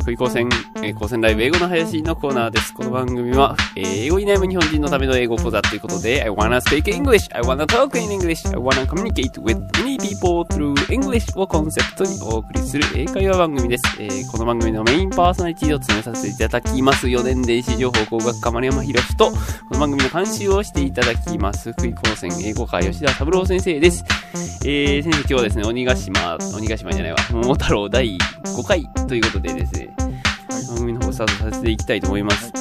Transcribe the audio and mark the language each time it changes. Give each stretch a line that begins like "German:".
Japanese: クイコーセン、コーセンライブ英語の林のコーナーです。この番組は、英語に悩む日本人のための英語講座ということで、
English: I wanna speak English! I wanna talk in English! I wanna communicate with many people through English
Japanese: をコンセプトにお送りする英会話番組です。この番組のメインパーソナリティを務めさせていただきます。4年電子情報工学科丸山博士と、この番組の監修をしていただきます。クイコーセン英語科吉田三郎先生です。先生、今日はですね、鬼ヶ島じゃないわ。桃太郎第5回ということでですね、番組の方スタートさせていきたいと思います。